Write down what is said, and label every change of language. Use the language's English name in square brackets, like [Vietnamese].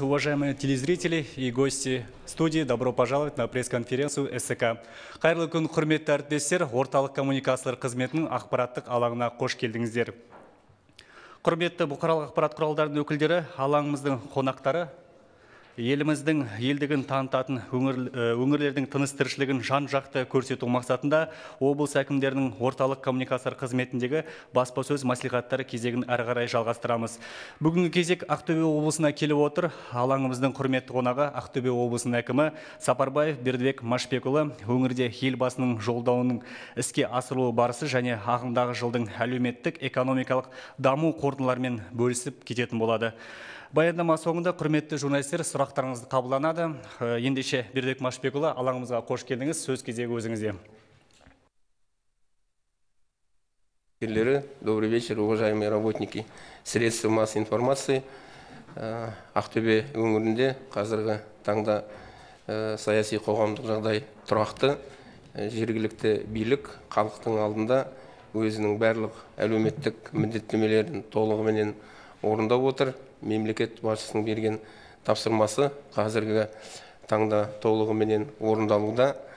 [Russian] Уважаемые телезрители и гости студии, добро пожаловать на пресс-конференцию СТК. [Kazakh] Қайырлы күн, құрметті әріптестер, орталық коммуникациялар қызметінің ақпараттық алаңына қош келдіңіздер. Құрметті бұқаралық ақпарат құралдарының өкілдері, алаңымыздың қонақтары, еліміздің елдігін танытатын өңірлердің тыныс-тіршілігін жан-жақты көрсету мақсатында облыс әкімдерінің орталық коммуникациялар қызметіндегі баспасөз мәслихаттары кезегін әрі қарай жалғастырамыз. Бүгінгі кезек Ақтөбе облысына келіп отыр. Алаңымыздың құрметті қонағы Ақтөбе облысының әкімі Сапарбаев Бердібек Машбекұлы. Өңірде елбасының жолдауының іске асырылу барысы және ағымдағы жылдың әлеуметтік-экономикалық даму қорытындыларымен бөлісіп кететін болады. Баяндама соңында құрметті журналистер сұрақтарыңызды қабылданады. Ендеше Бердібек Машбекұлы, алаңымызға қош келдіңіз. Сөз кезегі өзіңізде. [Russian] Добрый вечер, уважаемые работники средств массовой информации. [Kazakh] Ақтөбе өңірінде қазіргі таңда саяси қоғамдық жағдай тұрақты. Жергілікті билік халықтың алдында өзінің барлық әлеуметтік міндеттемелерін толығыменен орындап отыр. Мемлекет басшысының берген тапсырмасы қазіргі таңда толығыменен орындалуда.